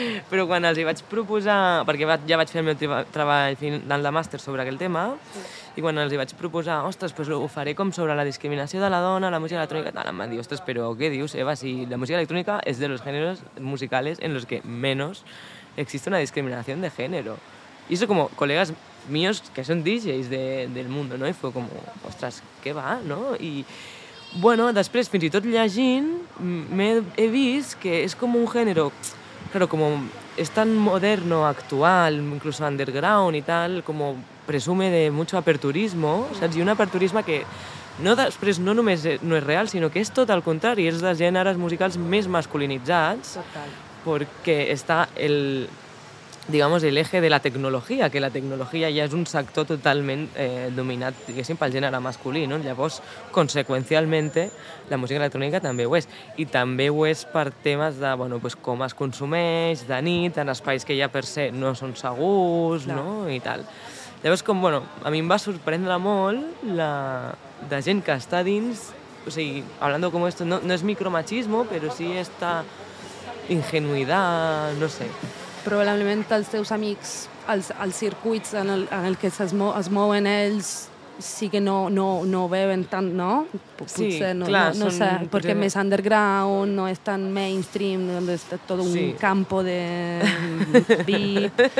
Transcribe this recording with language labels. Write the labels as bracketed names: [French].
[Catalan] Però quan els hi vaig proposar, perquè ja vaig fer el meu treball final de màster sobre aquell tema, i quan els hi vaig proposar, ostres, pues ho faré com sobre la discriminació de la dona, la música electrònica, tal, em van dir, ostres, però què dius, Eva, si la música electrònica és [Spanish] de los géneros musicales en los que menos existe una discriminación de género. Y eso como colegas míos que son DJs del mundo, ¿no? Y fue como, ostras, ¿qué va, no? Y bueno, después, [Catalan] fins i tot llegint, he vist que [Spanish] es como un género, claro, como es tan moderno, actual, incluso underground y tal, como presume de mucho aperturismo, ¿saps? Y un aperturismo que no, [Catalan] després, no només no és real, sinó que és tot el contrari, és dels gèneres musicals més masculinitzats. [Spanish] Total. Porque está el, digamos, el eje de la tecnología, que la tecnología ya es un sector totalmente dominado, [Catalan] diguéssim, pel gènere masculí, [Spanish] ¿no? [Catalan] Llavors, conseqüencialmente, la música electrònica també ho és. I també ho és per temes de, bueno, pues, com es consumeix de nit, en espais que ja per se no són segurs, no? I tal. Llavors, com, bueno, a mi em va sorprendre molt la gent que està dins, o sigui, [Spanish] hablando como esto, no es micromachismo, pero sí está... [Catalan] ingenuïtat, no sé. Probablement els teus amics, els circuits en el que es mouen ells, sí que no beben tant, no? Sí, potser, no, clar. No sé, perquè més underground, no és tan mainstream, és tot un campo de beat.